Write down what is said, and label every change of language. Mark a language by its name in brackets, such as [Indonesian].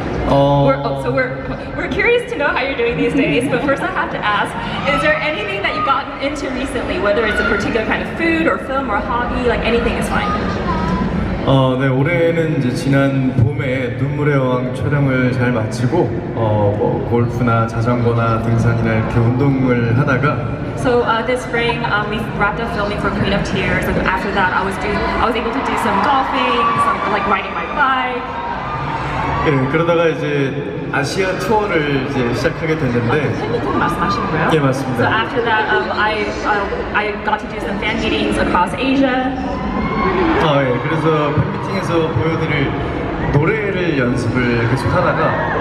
[English] We're curious to know how you're doing these days, but first I have to ask, is there anything that you've gotten into recently, whether it's a particular kind of food or film or hobby, like anything is fine? [Korean] 네, 올해는 이제 지난 봄에 눈물의 여왕 촬영을 잘 마치고 뭐 골프나 자전거나 등산이나 이렇게 운동을 하다가 [English] So this spring we wrapped up filming for Queen of Tears and after that I was able to do some golfing, some like riding my bike. [Korean] 네, 그러다가 이제 아시아 투어를 이제 시작하게 됐는데 팬미팅 말씀하신 거예요? 네, 맞습니다. [English] So after that I got to do some fan meetings across Asia. [Korean] 예, 그래서 팬미팅에서 보여드릴 노래를 연습을 계속 하다가